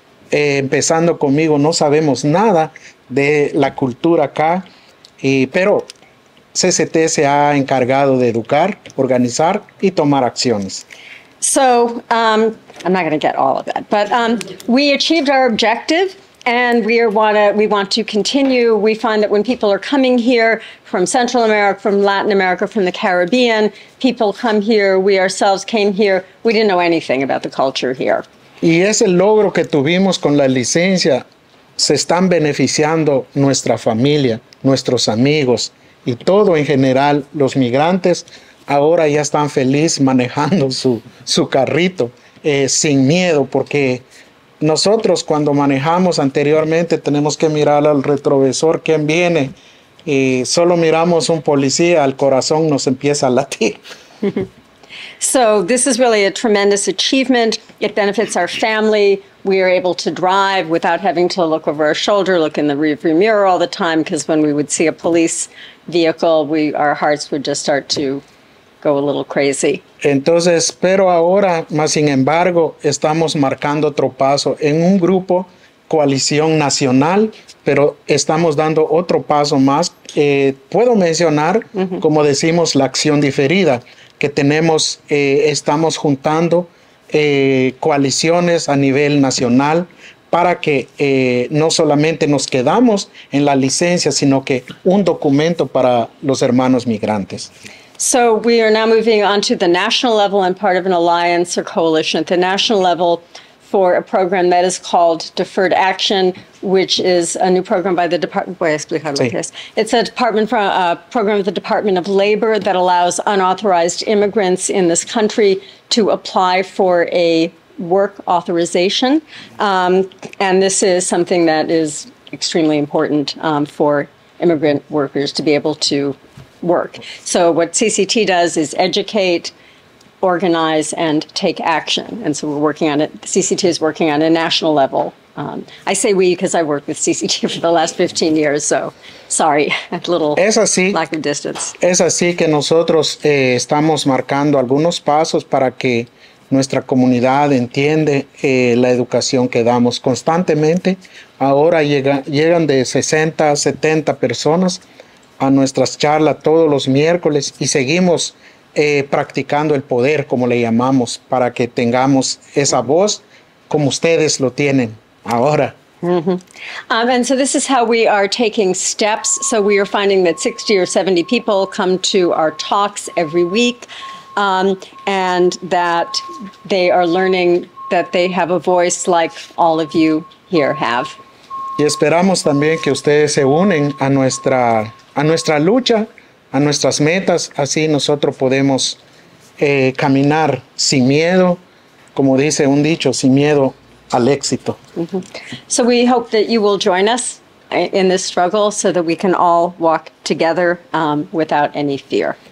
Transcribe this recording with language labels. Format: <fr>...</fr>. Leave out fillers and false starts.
<es>Empezando conmigo, no sabemos nada de la cultura acá, y, pero... CCT se ha encargado de educar, organizar y tomar acciones.</es> <en>So, I'm not going to get all of that, but we achieved our objective and we want to continue. We find that when people are coming here from Central America, from Latin America, from the Caribbean, people come here, we ourselves came here, we didn't know anything about the culture here.</en> <es>Y ese logro que tuvimos con la licencia, se están beneficiando nuestra familia, nuestros amigos, y todo en general, los migrantes ahora ya están felices manejando su carrito sin miedo, porque nosotros cuando manejamos anteriormente tenemos que mirar al retrovisor quién viene, y solo miramos un policía, el corazón nos empieza a latir.</es> <en>So this is really a tremendous achievement. It benefits our family. We are able to drive without having to look over our shoulder, look in the rearview mirror all the time, because when we would see a police vehicle, our hearts would just start to go a little crazy.</en> <es>Entonces, pero ahora, más sin embargo, estamos marcando otro paso en un grupo, coalición nacional, pero estamos dando otro paso más. Puedo mencionar, como decimos, la acción diferida, que tenemos, estamos juntando coaliciones a nivel nacional para que no solamente nos quedamos en la licencia, sino que un documento para los hermanos migrantes.</es> <en>So we are now moving on to the national level and part of an alliance or coalition at the national level for a program that is called Deferred Action, which is a new program by the Department.</en> <es>Voy a explicar lo que es.</es> <en>It's a department from a program of the Department of Labor that allows unauthorized immigrants in this country to apply for a work authorization, and this is something that is extremely important for immigrant workers to be able to work. So what CCT does is educate, organize, and take action. And so we're working on it. CCT is working on a national level. I say we because I worked with CCT for the last 15 years, so sorry, a little</en> <es>es así,</es> <en>lack of distance.</en> <es>Es así que nosotros estamos marcando algunos pasos para que nuestra comunidad entiende la educación que damos constantemente. Ahora llegan de 60 a 70 personas a nuestras charlas todos los miércoles y seguimos practicando el poder, como le llamamos, para que tengamos esa voz como ustedes lo tienen ahora.</es> <en>And so this is how we are taking steps. So we are finding that 60 or 70 people come to our talks every week, and that they are learning that they have a voice like all of you here have.</en> <es>Y esperamos también que ustedes se unen a nuestra lucha, a nuestras metas, así nosotros podemos caminar sin miedo, como dice un dicho, sin miedo al éxito.</es> <en>So we hope that you will join us in this struggle so that we can all walk together without any fear.</en>